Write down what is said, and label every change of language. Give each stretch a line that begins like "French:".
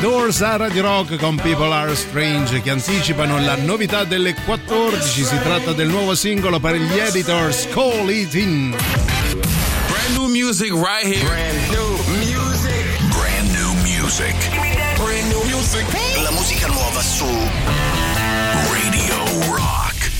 Italian: Sara di Rock con People Are Strange, che anticipano la novità delle 14. Si tratta del nuovo singolo per gli Editors, Call It In.
English: Brand new music right here. Brand new music. Brand new music. Brand new music.
Italian: La musica nuova su Radio Rock.